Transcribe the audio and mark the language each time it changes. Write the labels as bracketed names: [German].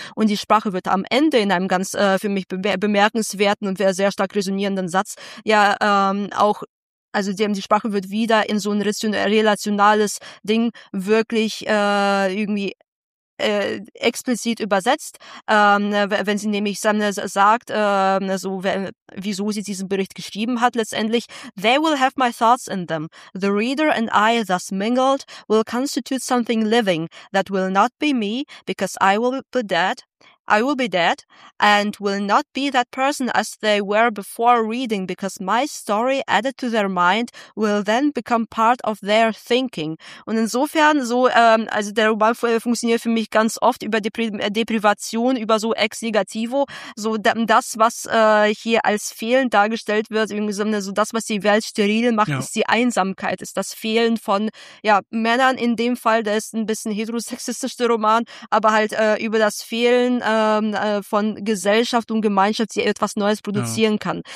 [German] Und die Sprache wird am Ende in einem ganz für mich bemerkenswerten und sehr stark resonierenden Satz ja auch, also die Sprache wird wieder in so ein relationales Ding wirklich irgendwie explizit übersetzt, wenn sie nämlich sagt, so wieso sie diesen Bericht geschrieben hat letztendlich. [English] They will have my thoughts in them. The reader and I thus mingled will constitute something living that will not be me because I will be dead and will not be that person as they were before reading because my story added to their mind will then become part of their thinking. [German] Und insofern so, also der Roman funktioniert für mich ganz oft über Deprivation, über so ex negativo, so das, was hier als Fehlen dargestellt wird, irgendwie so das, was die Welt steril macht, ja, ist die Einsamkeit, ist das Fehlen von, ja, Männern in dem Fall, das ist ein bisschen heterosexistischer Roman, aber halt über das Fehlen von Gesellschaft und Gemeinschaft, die etwas Neues produzieren, ja, kann.